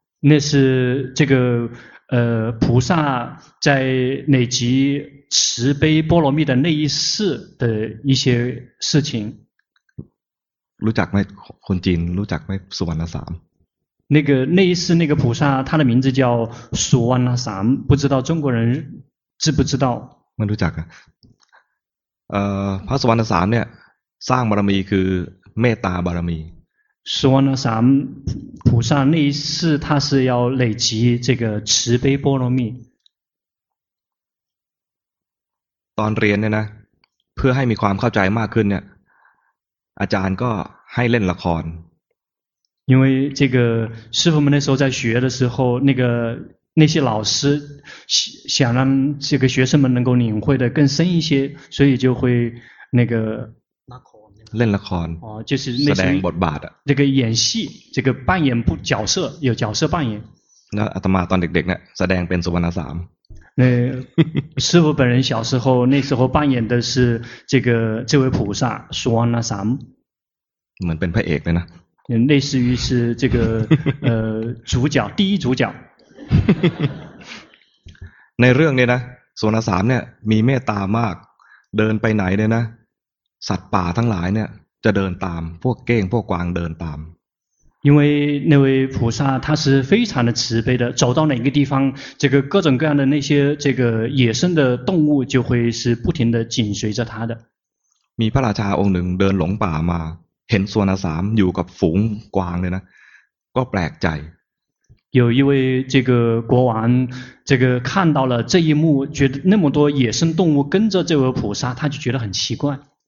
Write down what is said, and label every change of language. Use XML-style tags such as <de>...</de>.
<zh>那是这个菩萨在累积慈悲波罗蜜的那一世的一些事情</zh> <th>รู้จักไหมคนจีนรู้จักไหมสุวรรณสาม</th> <zh>那一世那个菩萨他的名字叫สุวรรณสาม不知道中国人知不知道</zh> <th>ไม่รู้จักอ่ะพระสุวรรณสามเนี่ยสร้างบารมีคือเมตตาบารมี</th> <zh>สุวรรณสาม菩萨那一世他是要累积这个慈悲波罗蜜</zh> <th>ตอนเรียนเนี่ยนะเพื่อให้มีความเข้าใจมากขึ้นเนี่ยอาจารย์ก็ให้เล่นละคร</th> <zh>因为这个师父们那时候在学的时候那个那些老师想让这个学生们能够领会的更深一些所以就会那个</zh> <th>เล่นละคร แสด งบทบาทอ่ะ</th> <zh>这个演戏这个扮演不角色有角色扮演</zh> <th>นะอาตมาตอนเด็กๆเนี่ยแสดงเป็นสุวรรณสาม</th> <zh>那师父本人小时候那时候扮演的是这个这位菩萨苏瓦那萨姆</zh> <th>เหมือนเป็นพระเอกเลยนะ</th> <zh>类似于是这个主角第一主角</zh> <th>ในเรื่องเนี่ยนะสุวรรณสามเนี่ยมีเมตตามากเดินไปไหนเนี่ยนะสัตว์ป่าทั้งหลายเนี่ยจะเดินตามพวกเก้งพวกกวางเดินตาม</th> <zh>因为那位菩萨他是非常的慈悲的走到哪个地方这个各种各样的那些这个野生的动物就会是不停的紧随着他的</zh> <th>มีพระราชาองค์หนึ่งเดินหลงป่ามาเห็นสุวรรณสามอยู่กับฝูงกวางเลยนะก็แปลกใจ</th> <zh>有一位这个国王这个看到了这一幕觉得那么多野生动物跟着这位菩萨他就觉得很奇怪</zh>